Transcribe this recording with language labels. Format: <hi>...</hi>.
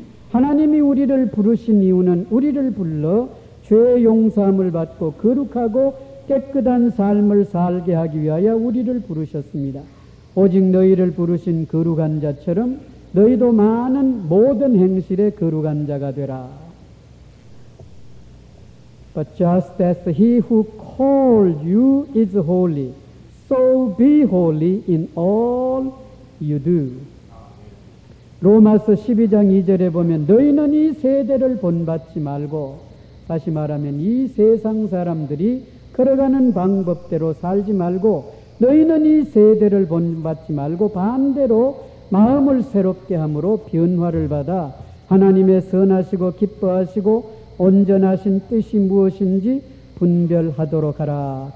<ko>하나님이 우리를 부르신 이유는 우리를 불러 죄의 용서함을 받고 거룩하고 깨끗한 삶을 살게 하기 위하여 우리를 부르셨습니다. 오직 너희를 부르신 거룩한 자처럼 너희도 많은 모든 행실에 거룩한 자가 되라.</ko> <en>But just as he who called you is holy, so be holy in all you do.</en> <ko>로마서 12장 2절에 보면 너희는 이 세대를 본받지 말고 다시 말하면 이 세상 사람들이 걸어가는 방법대로 살지 말고 너희는 이 세대를 본받지 말고 반대로 마음을 새롭게 함으로 변화를 받아 하나님의 선하시고 기뻐하시고 온전하신 뜻이 무엇인지 분별하도록 하라.</ko>